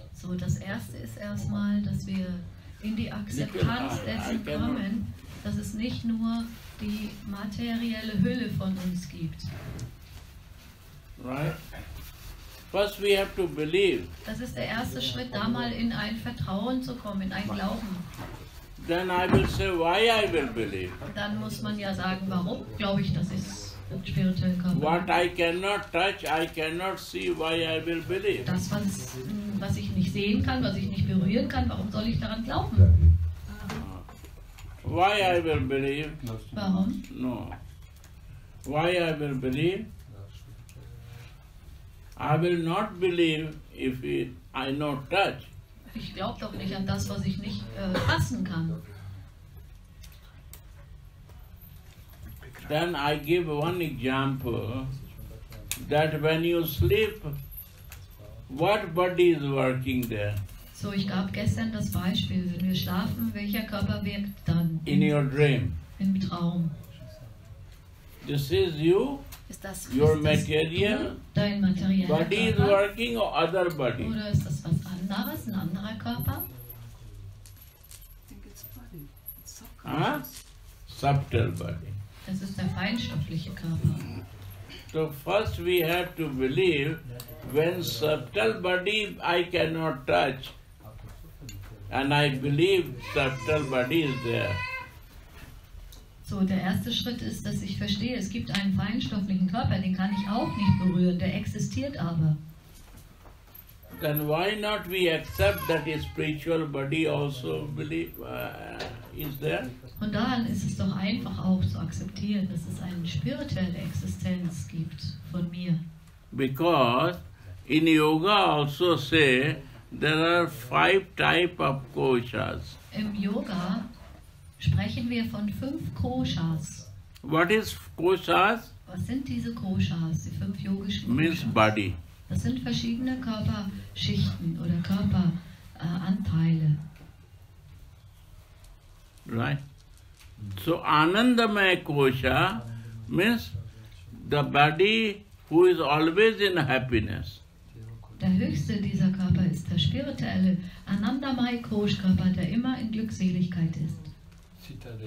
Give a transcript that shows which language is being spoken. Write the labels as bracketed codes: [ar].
[de] So das erste ist erstmal, dass wir in die Akzeptanz dessen kommen, dass es nicht nur die materielle Hülle von uns gibt. [en] Right? First we have to believe. [de] Das ist der erste Schritt, da mal in ein Vertrauen zu kommen, in ein Glauben. [en] Then I will say why I will believe. [de] Dann muss man ja sagen, warum glaube ich, dass ich spirituell komme. [en] What I cannot touch, I cannot see, why I will believe. [de] Das, was ich nicht sehen kann, was ich nicht berühren kann, warum soll ich daran glauben? [en] Why I will believe? [de] Warum? [en] No. Why I will believe? I will not believe if I not touch. [de] Ich glaube doch nicht an das, was ich nicht fassen kann. [en] Then I give one example that when you sleep, what body is working there? [de] So, ich gab gestern das Beispiel, wenn wir schlafen, welcher Körper wirkt dann? [en] In your dream. [de] Im Traum. [en] This is you. Your material, [de] dein materieller Körper, [en] body is working or other body? [de] Oder ist das was anderes, ein anderer Körper? [en] Subtle body. [de] Das ist der feinstoffliche Körper. [en] So first we have to believe, when subtle body I cannot touch, and I believe subtle body is there. [de] So, der erste Schritt ist, dass ich verstehe, es gibt einen feinstofflichen Körper, den kann ich auch nicht berühren, der existiert aber. [en] then why not we accept that a spiritual body also believe is there? [de] Und dann ist es doch einfach auch zu akzeptieren, dass es eine spirituelle Existenz gibt von mir. [en] Because in yoga also say there are 5 type of koshas. [de] Im Yoga sprechen wir von 5 koshas. [en] What is koshas? [de] Was sind diese koshas, die 5 yogischen koshas? [en] Means body. [de] Das sind verschiedene Körperschichten oder Körperanteile. [en] Right. So Anandamaya kosha means the body who is always in happiness. [de] Der höchste dieser Körper ist der spirituelle Anandamaya kosha Körper, der immer in Glückseligkeit ist.